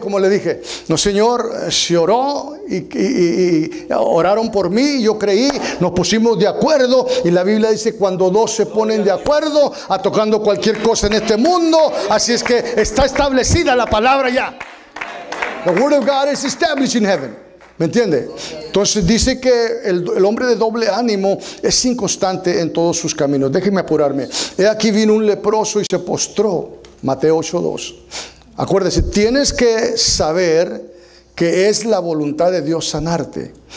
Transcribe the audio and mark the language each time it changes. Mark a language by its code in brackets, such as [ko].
[es] Como le dije, no, Señor, se oró y oraron por mí, yo creí, nos pusimos de acuerdo, y la Biblia dice cuando dos se ponen de acuerdo a tocando cualquier cosa en este mundo, así es que está establecida la palabra ya. [en] The word of God is established in heaven. [es] ¿Me entiende? Entonces dice que el hombre de doble ánimo es inconstante en todos sus caminos. Déjeme apurarme. He aquí vino un leproso y se postró. Mateo 8:2. Acuérdese, tienes que saber que es la voluntad de Dios sanarte.